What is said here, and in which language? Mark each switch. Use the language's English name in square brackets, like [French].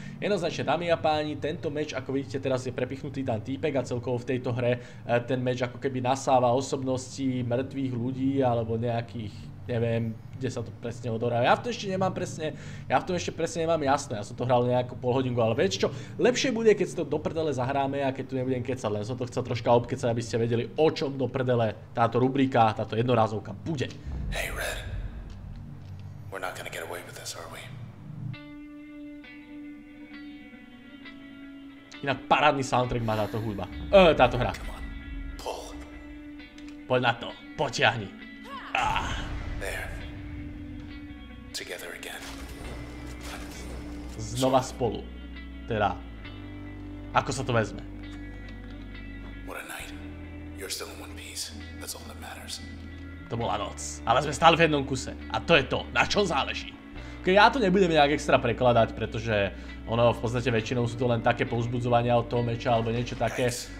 [Slovak] Jednoznačne, dámy a páni, tento meč, ako vidíte, teraz je prepichnutý tam týpek a celkovo v tejto hre ten meč ako keby nasáva osobnosti mŕtvých ľudí alebo nejakých, neviem, kde sa to presne odohráva. Ja v tom ešte presne nemám jasné, ja som to hral nejakú pol hodinku, ale vieš čo, lepšie bude, keď si to do prdele zahráme a keď tu nebudem kecať, len som to chcel troška obkecať, aby ste vedeli, o čom do prdele táto rubrika, táto jednorázovka bude. [English] Hey Red, we're not gonna get away with this, are we? [Slovak] Inak parádny soundtrack má táto hudba. Táto hra. [English] Come on, pull. [Slovak] Poď na to, potiahni. [English] There. Together again. [Slovak] Znova spolu. Teda, ako sa to vezme? [English] What a night. You're still in one piece. That's all that matters. [Slovak] to bola noc. Ale sme stáli v jednom kuse. A to je to, na čo záleží. Keď ja to nebudem nejak extra prekladať, pretože ono v podstate väčšinou sú to len také pouzbudzovania od toho meča alebo niečo také.